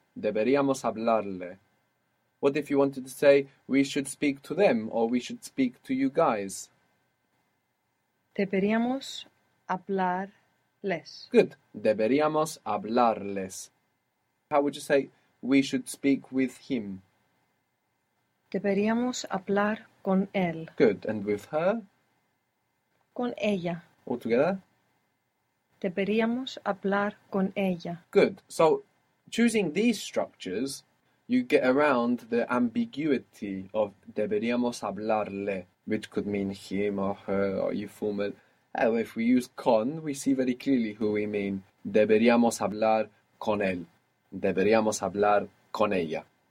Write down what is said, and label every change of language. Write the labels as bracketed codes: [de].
[es] Deberíamos hablarle. [en] What if you wanted to say we should speak to them or we should speak to you guys? [es] Deberíamos hablarles. Good. Deberíamos hablarles. [en] How would you say we should speak with him? [es] Deberíamos hablar con él. [en] Good. And with her? [es] Con ella. [en] All together? [es] Deberíamos hablar con ella. [en] Good. So, choosing these structures, you get around the ambiguity of [es] deberíamos hablarle, [en] which could mean him or her or you formal. Oh, if we use con, we see very clearly who we mean. [es] Deberíamos hablar con él. Deberíamos hablar con ella.